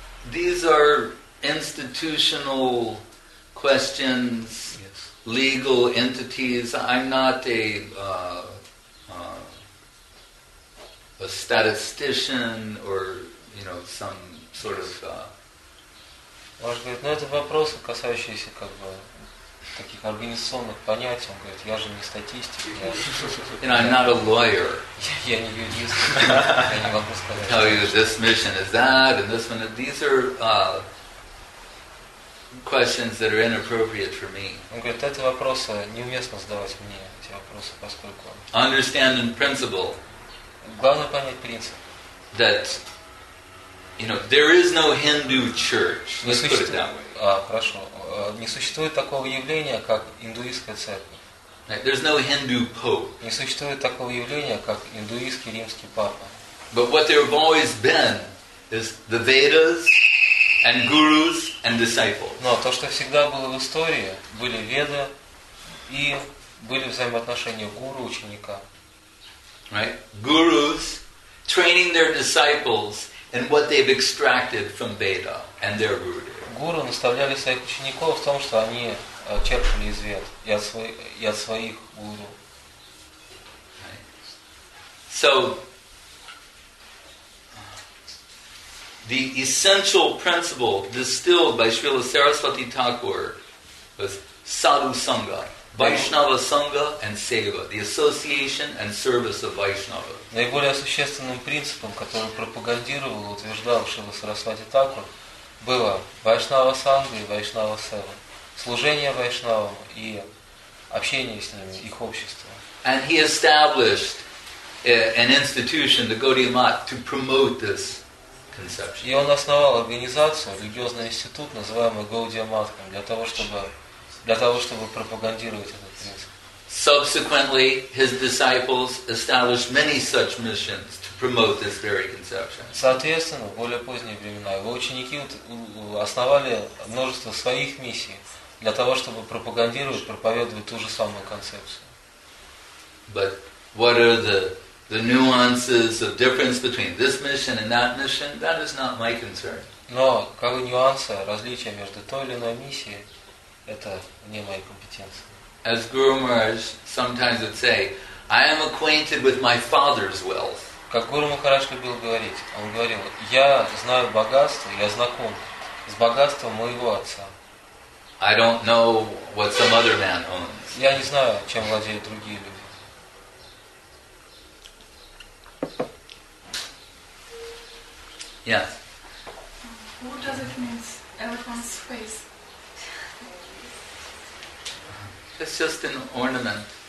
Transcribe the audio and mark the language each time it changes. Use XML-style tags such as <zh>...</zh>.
<en>These are institutional questions, yes. Legal entities. I'm not a statistician or, you know, some sort of...</en> <ru>Ваш говорит, ну это вопросы, касающиеся как бы таких организационных понятий. Он говорит, я же не статистик.</ru> <en>You know, I'm not a lawyer.</en> <ru>Я не юрист. Я не могу сказать.</ru> <en>Tell you this mission is that and this one. These are questions that are inappropriate for me.</en> <ru>Он говорит, эти вопросы неуместно задавать мне, эти вопросы, поскольку...</ru> <en>Understand in principle.</en> <ru>Главное понять принцип.</ru> <en>That, you know, there is no Hindu church. Let's put it that way.</en> <ru>Хорошо. Не существует такого явления, как индуистская церковь.</ru> <en>Right. There's no Hindu pope.</en> <ru>Не существует такого явления, как индуистский римский папа.</ru> <en>But what there have always been is the Vedas and gurus and disciples.</en> <ru>Но то, что всегда было в истории, были Веды и были взаимоотношения гуру-ученика.</ru> <en>Right? Gurus training their disciples in what they've extracted from Veda and their gurus.</en> <ru>Гуру наставляли своих учеников в том, что они черпали из Вед и от своих гуру.</ru> <en>So, the essential principle distilled by Srila Saraswati Thakur was Sadhu Sangha, Vaishnava Sangha and Seva, the association and service of Vaishnava.</en> <ru>Наиболее существенным принципом, который пропагандировал, утверждал Шрила Сарасвати Такур, было Вайшнава Санга и Вайшнава Сева. Служение Вайшнавам и общение с ними, их общество.</ru> <en>And he established an institution, the Gaudiya Math, to promote this conception.</en> <ru>И он основал организацию, религиозный институт, называемый Gaudiya Math, для того, чтобы пропагандировать этот принцип.</ru> <en>Subsequently, his disciples established many such missions to promote this very conception.</en> <ru>Соответственно, в более поздние времена его ученики основали множество своих миссий для того, чтобы пропагандировать, проповедовать ту же самую концепцию.</ru> <en>But what are the nuances of difference between this mission and that mission? That is not my concern.</en> <ru>Но как нюансы различия между той или иной миссией, это не моей компетенции.</ru> <en>As Guru Maharaj sometimes would say, I am acquainted with my father's wealth.</en> <ru>Как Гуру Махарадж любил говорить, он говорил, я знаю богатство, я знаком с богатством моего отца.</ru> <en>I don't know what some other man owns.</en> <ru>Я не знаю, чем владеют другие люди.</ru> <en>Yes. What does it mean, elephant's face? It's just an ornament.</en>